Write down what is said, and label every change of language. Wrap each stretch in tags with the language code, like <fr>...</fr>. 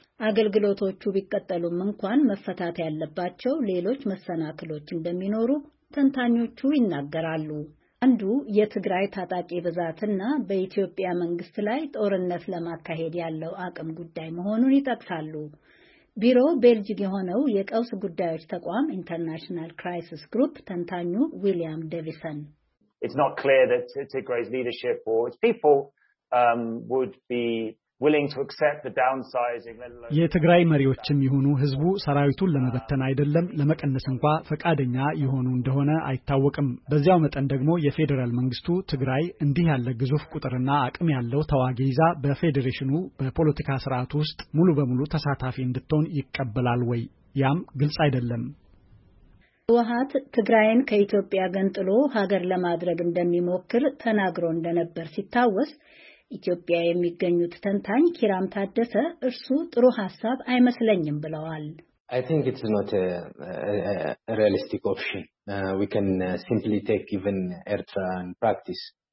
<am>አገልግሎቶቹ ቢቀጠሉም እንኳን መፈታት ያለባቸው ሌሎች መሰናክሎች እንደሚኖሩ ተንታኞቹ ይናገራሉ። አንዱ የትግራይ ታጣቂ ብዛትና በኢትዮጵያ መንግስት ላይ ጦርነት ለማካሄድ ያለው አቅም ጉዳይ መሆኑን ይጠቅሳሉ። ቢሮ ቤልጅግ የሆነው የቀውስ ጉዳዮች ተቋም ኢንተርናሽናል ክራይሲስ ግሩፕ ተንታኙ ዊሊያም ዴቪሰን</am> <en>It's not clear that Tigray's leadership or its people would be willing to accept the downsizing.</en> <am>የትግራይ መሪዎችም ይሁኑ ህዝቡ ሰራዊቱን ለመበተን አይደለም ለመቀነስ እንኳን ፈቃደኛ ይሆኑ እንደሆነ አይታወቅም። በዚያው መጠን ደግሞ የፌደራል መንግስቱ ትግራይ እንዲህ ያለ ግዙፍ ቁጥርና አቅም ያለው ተዋጊ ይዛ በፌደሬሽኑ በፖለቲካ ስርዓት ውስጥ ሙሉ በሙሉ ተሳታፊ እንድትሆን ይቀበላል ወይ? ያም ግልጽ አይደለም። ህወሓት ትግራይን ከኢትዮጵያ ገንጥሎ ሀገር ለማድረግ እንደሚሞክር ተናግሮ እንደነበር ሲታወስ ኢትዮጵያ የሚገኙት ተንታኝ ኪራም ታደሰ እርሱ ጥሩ ሐሳብ አይመስለኝም ብለዋል።</am> <en>I think it's not a realistic option. We can simply take even Eritrea in practice.</en>